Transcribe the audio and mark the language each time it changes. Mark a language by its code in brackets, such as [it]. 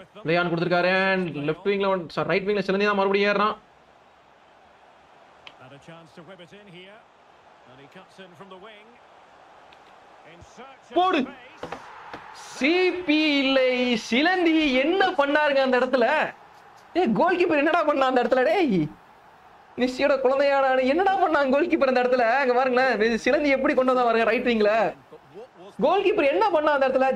[ta] லேயான் கொடுத்துருக்காரு and left விங்ல right விங்ல சிலந்தி தான் மறுபடியும் ஏறான். [en] chance to whip it in here. And he cuts in from the wing. In search of the space. [ta] CP சிலந்தி என்ன பண்ணாருங்க அந்த இடத்துல? ஏய் கோல் கீப்பர் என்னடா பண்ணா அந்த இடத்துல டேய்? மெஸ்ஸியோட குழந்தையானா என்னடா பண்ணான் கோல் கீப்பர் அந்த இடத்துல? அங்க பாருங்களேன் சிலந்தி எப்படி கொண்டு வந்தா பாருங்க ரைட் விங்ல. கோல் கீப்பர் என்ன பண்ணா அந்த இடத்துல?